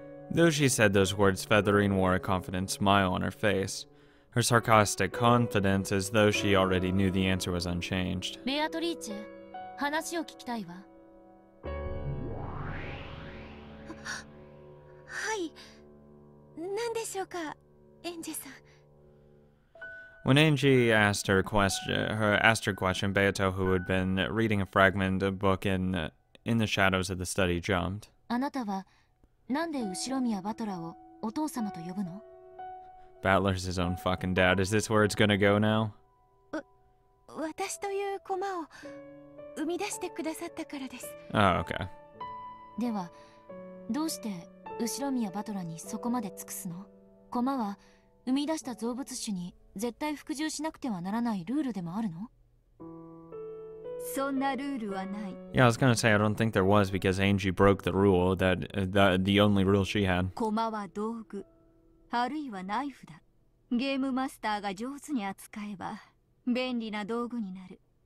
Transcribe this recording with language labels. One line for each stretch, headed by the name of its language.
English: Though she said those words, Feathering wore a confident smile on her face. Her sarcastic confidence, as though she already knew the answer, was unchanged.
Japanese: Beatrice, 話を聞きたいわ。はい。何でしょうか、エンジェさん。
English: When Angie asked her question, Beato, who had been reading a fragment of a book in the shadows of the study, jumped.
Japanese: あなたは、なんで後ろ宮バトラをお父様と呼ぶの？
English: Battler's his own fucking dad. Is this where it's gonna go now?
Japanese: 私という駒を生み出してくださったからです。
English: Oh, okay.
Japanese: では、どうして後ろ宮バトラにそこまで尽くすの？駒は生み出した造物種に絶対服従しなくてはならないルールでもあるの？そんなルールはない。
English: Yeah, I was gonna say I don't think there was because Angie broke the rule that the only rule she had.
Japanese: 駒は道具、あるいはナイフだ。ゲームマスターが上手に扱えば便利な道具になる。